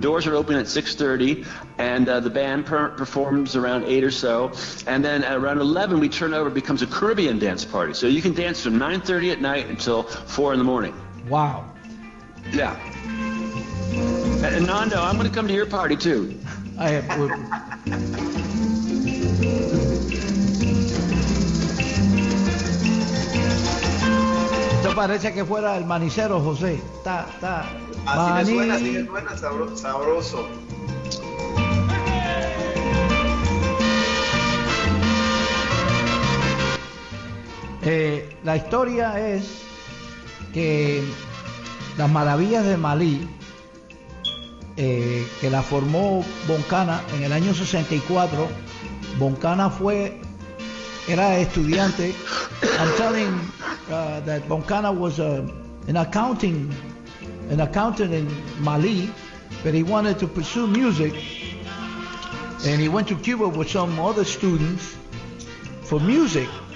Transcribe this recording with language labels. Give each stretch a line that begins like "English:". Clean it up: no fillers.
English: Doors are open at 6:30, and the band performs around 8 or so. And then at around 11, we turn over, it becomes a Caribbean dance party. So you can dance from 9:30 at night until 4 in the morning. Wow. Yeah. And Nando, I'm going to come to your party, too. I have. Well,
Spanish: esto parece que fuera el manicero, José. Está. Así me suena, sabroso. La historia es que las maravillas de Malí, que la formó Boncana en el año 64. Boncana era estudiante.
English: I'm telling that Boncana was an accountant in Mali, but he wanted to pursue music, and he went to Cuba with some other students for music.